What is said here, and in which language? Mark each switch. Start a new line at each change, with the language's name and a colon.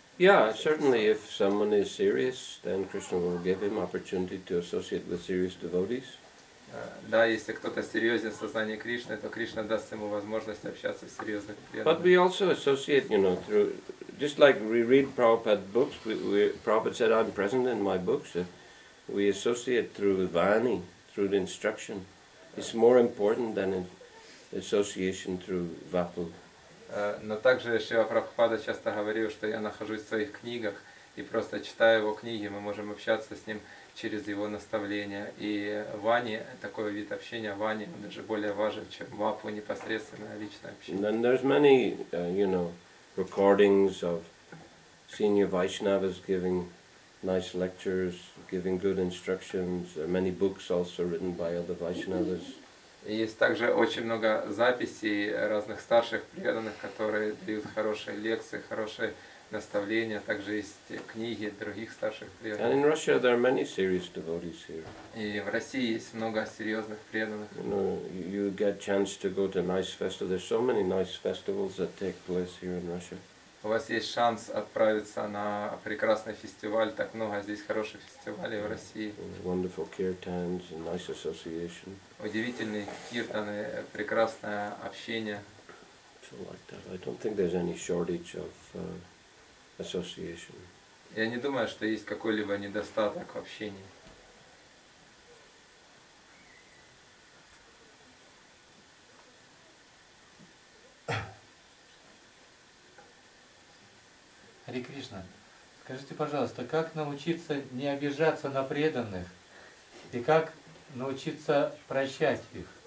English: Yeah, certainly if someone is serious, then Krishna will give him opportunity to associate with serious devotees.
Russian: Да, если кто-то серьезен в сознании Кришны, то Кришна даст ему возможность общаться с серьезными преданными.
English: But we also associate, you know, through, just like we read Prabhupada's books, we Prabhupada said, I'm present in my books, we associate through Vani, through the instruction. It's more important than association through Vapu.
Russian: Но также Шрила Прабхупада часто говорил, что я нахожусь в своих книгах, и просто читая его книги, мы можем общаться с ним через его наставления. И Вани, такой вид общения Вани, он даже более важен, чем Вапу, непосредственное личное общение.
English: And then there's many, you know, recordings of senior Vaishnavas giving nice lectures, giving good instructions. There are many books also written by other Vaishnavas.
Russian: Есть также очень много записей разных старших преданных, которые дают хорошие лекции, хорошие наставления, также есть книги других старших преданных.
English: And in Russia there are many serious devotees here.
Russian: И в России есть много серьезных преданных.
English: You know, you get chance to go to nice festivals. There's so many nice festivals that take place here in Russia.
Russian: У вас есть шанс отправиться на прекрасный фестиваль. Так много здесь хороших фестивалей в России.
English: Wonderful kirtans, a nice association.
Russian: Удивительные киртаны, прекрасное общение.
English: So like that. I don't think there's any shortage of association.
Russian: Я не думаю, что есть какой-либо недостаток в общении. Хари Кришна, скажите, пожалуйста, как научиться не обижаться на преданных и как научиться прощать их?